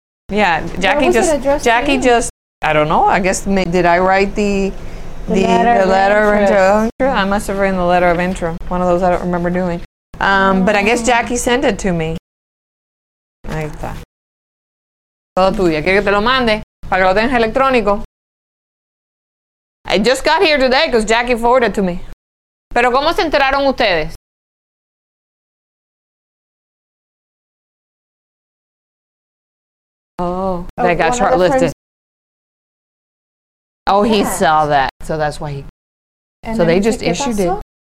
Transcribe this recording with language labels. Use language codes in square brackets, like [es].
[en] Yeah, Jackie just. I don't know. I guess did I write the letter of intro? I must have written the letter of intro. One of those I don't remember doing. But I guess Jackie sent it to me. [es] Ahí está. Todo tuyo. Quiero que te lo mande para que lo tengas electrónico. [en] I just got here today because Jackie forwarded to me. [es] Pero ¿cómo se enteraron ustedes? [en] Oh, they got shortlisted. Oh, he saw that. So that's why he... So they just issued it.